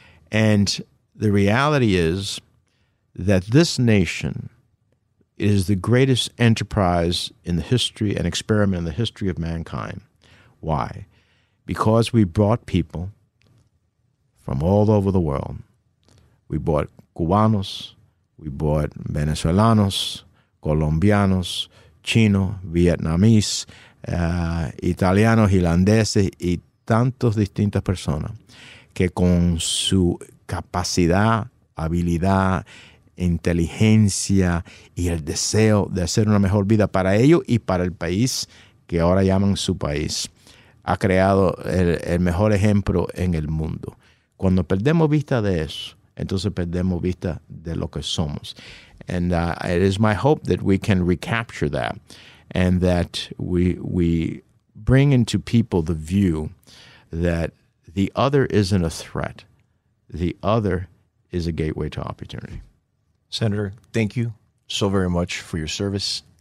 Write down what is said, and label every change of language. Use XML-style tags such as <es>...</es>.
<en>And the reality is that this nation is the greatest enterprise in the history and experiment in the history of mankind. Why? Because we brought people from all over the world. We brought Cubanos, we brought</en> <es>Venezuelanos, Colombianos, Chino, Vietnamese, Italiano, Irlandeses, y tantos distintas personas que con su capacidad, habilidad, inteligencia y el deseo de hacer una mejor vida para ellos y para el país que ahora llaman su país, ha creado el mejor ejemplo en el mundo. Cuando perdemos vista de eso, entonces perdemos vista de lo que somos.</es> <en>And it is my hope that we can recapture that and that we bring into people the view that the other isn't a threat. The other is a gateway to opportunity. Senator, thank you so very much for your service.</en>